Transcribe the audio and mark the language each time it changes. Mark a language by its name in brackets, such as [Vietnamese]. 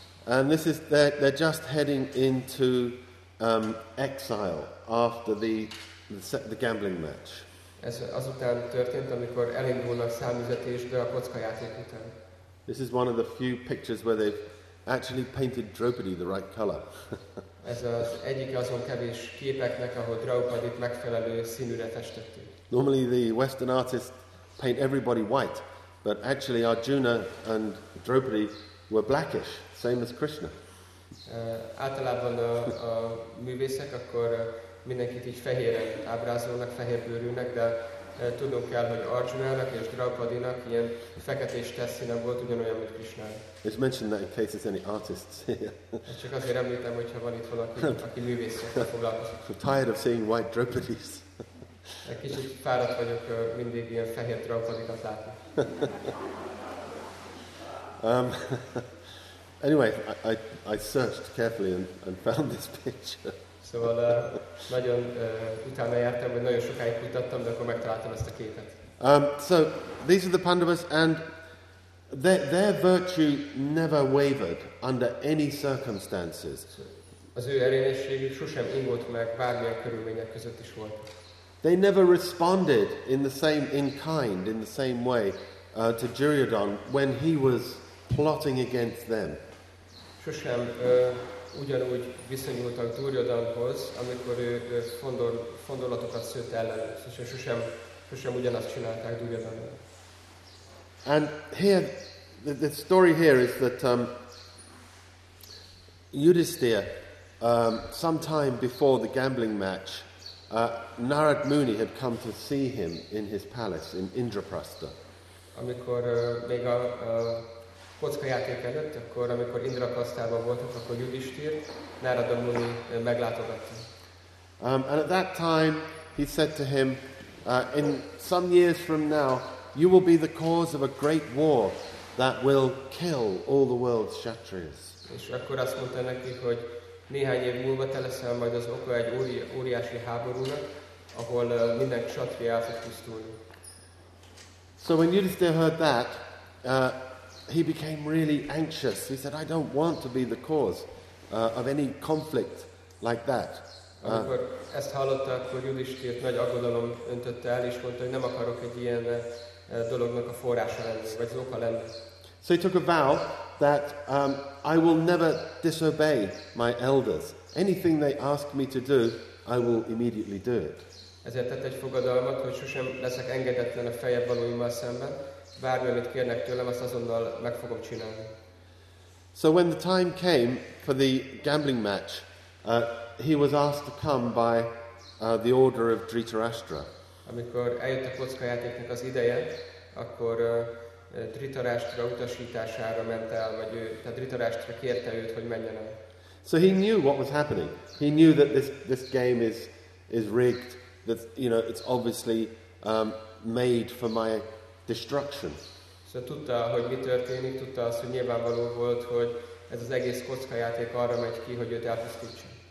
[English] And this is, they're just heading into exile after the gambling match. [Hungarian] Ez azután történt, amikor elindulnak számüzetésbe a kockajáték után. [English] This is one of the few pictures where they've actually painted Draupadi the right color. [Hungarian] Ez az egyik azon kevés képeknek, ahol Draupadit megfelelő színűre festették. [English] Normally the Western artists paint everybody white, but actually Arjuna and Draupadi were blackish, same as Krishna. [Hungarian] Általában a művészek akkor mindenkit így fehérre ábrázolnak, fehérbőrűnek, de tudnunk kell, hogy Arjunának és Draupadinak ilyen feketés tesszínek volt, ugyanolyan, mint Krishnának. [English] It's mentioned that in case there's any artists here. [Hungarian] Csak azért említem, hogyha van itt valaki, aki művészekkel foglalkozik. [English] I'm tired of seeing white Draupadis. [Hungarian] Kicsit fáradt vagyok mindig ilyen fehér Draupadikat látni. [English] Anyway, I searched carefully and found this picture. [Hungarian] Szóval nagyon utána jártam, vagy nagyon sokáig kutattam, de akkor megtaláltam ezt a képet. [English] So these are the Pandavas, and their virtue never wavered under any circumstances. [Hungarian] Az ő erényességük sosem ingott meg bármilyen körülmények között is volt. [English] They never responded in the same way to Duryodhan when he was plotting against them. [Hungarian] Sosem ugyanúgy viszonyultak Duryodhanhoz, amikor ő fondorlatokat szőtt ellenük, és sosem ugyanazt csinálták Duryodhannal. [English] And here, the story here is that Yudhisthira, some time before the gambling match, Narad Muni had come to see him in his palace in Indraprastha. [Hungarian] Amikor még a kockajáték előtt, akkor amikor Indraprasthában voltak, akkor Yudhisthira Narada Muni meglátogatta. [English] And at that time, he said to him, in some years from now, you will be the cause of a great war that will kill all the world's kshatriyas. [Hungarian] És akkor azt mondta neki, hogy néhány év múlva te leszel majd az oka egy óriási háborúnak, ahol minden kshatriya el fog pusztulni. [English] So when Yudhisthira heard that, he became really anxious. He said, I don't want to be the cause of any conflict like that. [Hungarian] Amikor ezt hallotta, akkor Yudhisthira nagy aggodalom öntötte el, és mondta, hogy nem akarok egy ilyen dolognak a forrása lenni, vagy az oka lenni. [English] So he took a vow that I will never disobey my elders. Anything they ask me to do, I will immediately do it. [Hungarian] Ezért tett egy fogadalmat, hogy sosem leszek engedetlen a fejed valóimmal szemben. Bármi, amit kérnek tőlem, azt azonnal meg fogom csinálni. [English] So when the time came for the gambling match, he was asked to come by the order of Dhritarashtra. [Hungarian] Amikor eljött a kockajátéknak az ideje, akkor Dhritarashtra utasítására ment el, vagy ő, tehát Dhritarashtra kérte őt, hogy menjen el. [English] So he knew what was happening. He knew that this game is rigged, that, you know, it's obviously made for my destruction. [Hungarian] Szóval tudta, hogy mi történik, tudta azt, hogy nyilvánvaló volt, hogy ez az egész kockajáték arra megy ki, hogy őt elpusztítsa.